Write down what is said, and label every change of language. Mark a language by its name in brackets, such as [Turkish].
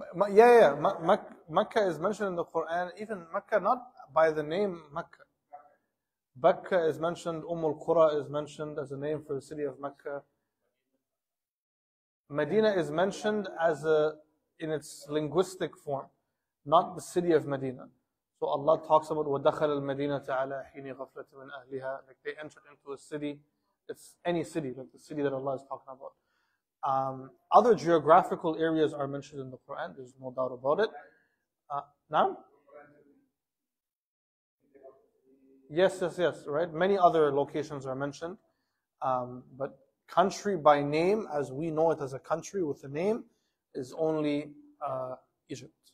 [English] Yeah. Mecca is mentioned in the Quran. Even Mecca, not by the name Mecca. Mecca is mentioned. Umm al-Qura is mentioned as a name for the city of Mecca. Medina is mentioned as a in its linguistic form, not the city of Medina. So Allah talks about [Arabic] وَدَخَلَ الْمَدِينَةَ عَلَىٰ حِينِ غَفْلَةٍ مِنْ أَهْلِهَا. [English] Like they entered into a city. It's any city, like the city that Allah is talking about. Other geographical areas are mentioned in the Quran. There's no doubt about it. Naam? Yes, right? Many other locations are mentioned. But country by name, as we know it as a country with a name, is only Egypt.